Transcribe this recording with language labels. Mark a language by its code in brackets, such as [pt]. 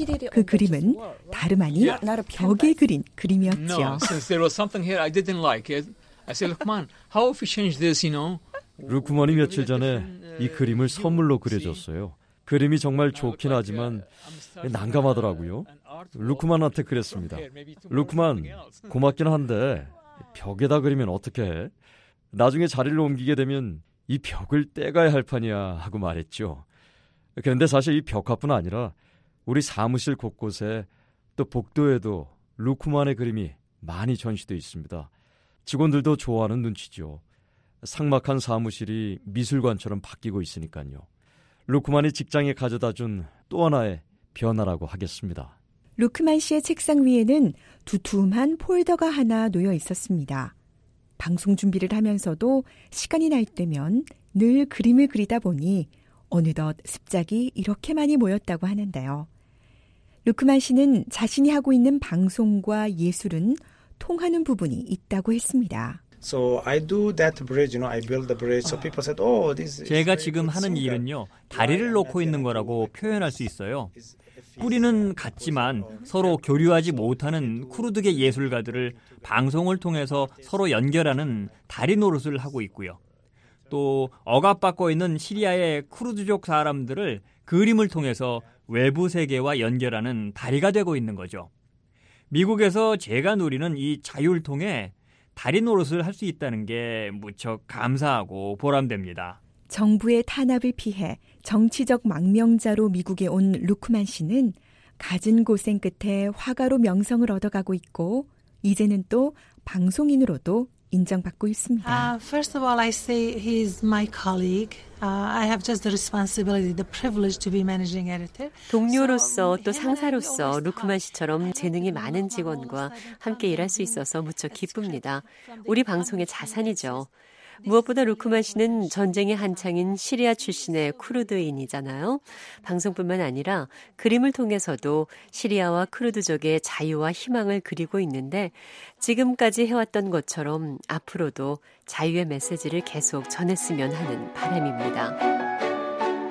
[ko] 그 그림은 다름 아닌 벽에 그린 그림이었지요. [en] No, since there was something here I didn't like it, I said, "Lukman, how if we change this, you know?" [ko] 루크만이 며칠 전에 이 그림을 선물로 그려줬어요. 그림이 정말 좋긴 하지만 난감하더라고요. 루크만한테 그랬습니다. 루크만, 고맙긴 한데 벽에다 그리면 어떻게 해? 나중에 자리를 옮기게 되면 이 벽을 떼가야 할 판이야 하고 말했죠. 그런데 사실 이 벽화뿐 아니라 우리 사무실 곳곳에 또 복도에도 루크만의 그림이 많이 전시되어 있습니다. 직원들도 좋아하는 눈치죠. 삭막한 사무실이 미술관처럼 바뀌고 있으니까요. 루크만이 직장에 가져다 준 또 하나의 변화라고 하겠습니다. 루크만 씨의 책상 위에는 두툼한 폴더가 하나 놓여 있었습니다. 방송 준비를 하면서도 시간이 날 때면 늘 그림을 그리다 보니 어느덧 습작이 이렇게 많이 모였다고 하는데요. 루크만 씨는 자신이 하고 있는 방송과 예술은 통하는 부분이 있다고 했습니다. [en] So I do that bridge, you know, I build the bridge. So people said, "Oh, this is." [ko] 제가 지금 하는 일은요, 다리를 놓고 있는 거라고 표현할 수 있어요. 뿌리는 같지만 서로 교류하지 못하는 쿠르드계 예술가들을 방송을 통해서 서로 연결하는 다리 노릇을 하고 있고요. 또 억압받고 있는 시리아의 쿠르드족 사람들을 그림을 통해서 외부 세계와 연결하는 다리가 되고 있는 거죠. 미국에서 제가 누리는 이 자유를 통해 다리 노릇을 할 수 있다는 게 무척 감사하고 보람됩니다. 정부의 탄압을 피해 정치적 망명자로 미국에 온 루크만 씨는 가진 고생 끝에 화가로 명성을 얻어가고 있고 이제는 또 방송인으로도 인정받고 있습니다. [en] First of all, I say he's my colleague. I have just the responsibility, the privilege to be managing editor. [ko] 동료로서 또 상사로서 루크만 씨처럼 재능이 많은 직원과 함께 일할 수 있어서 무척 기쁩니다. 우리 방송의 자산이죠. 무엇보다 루크만 씨는 전쟁의 한창인 시리아 출신의 쿠르드인이잖아요. 방송뿐만 아니라 그림을 통해서도 시리아와 쿠르드족의 자유와 희망을 그리고 있는데 지금까지 해왔던 것처럼 앞으로도 자유의 메시지를 계속 전했으면 하는 바람입니다.